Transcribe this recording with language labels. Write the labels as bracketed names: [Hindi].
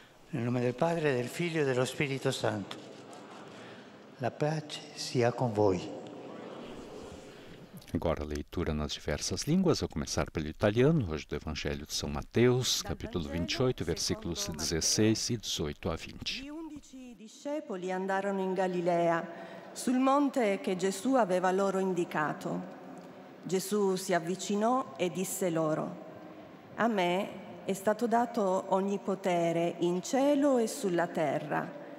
[Italian] Nel nome del Padre, del Figlio e dello Spirito Santo. La pace sia con voi. [Portuguese] Agora a leitura nas diversas línguas, a começar pelo italiano, hoje do Evangelho de São Mateus, capítulo 28, versículos 16 e 18 a 20. [Italian] Gli undici discepoli andarono in Galilea, sul monte che Gesù aveva loro indicato. Gesù si avvicinò e disse loro: A me è stato dato ogni potere in cielo e sulla terra.